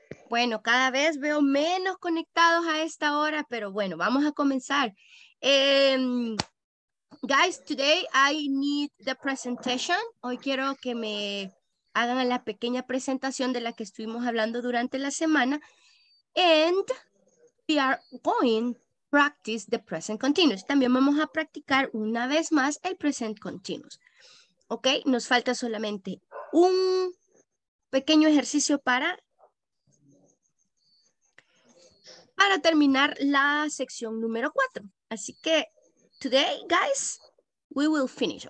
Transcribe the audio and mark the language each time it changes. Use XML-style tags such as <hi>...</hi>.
<es>Bueno, cada vez veo menos conectados a esta hora, pero bueno, vamos a comenzar.</es> <en>Guys, today I need the presentation.</en> <es>Hoy quiero que me hagan la pequeña presentación de la que estuvimos hablando durante la semana.</es> <en>And we are going to practice the present continuous.</en> <es>También vamos a practicar una vez más el present continuous. Ok, nos falta solamente un pequeño ejercicio para terminar la sección número 4. Así que,</es> <en>today, guys, we will finish.</en>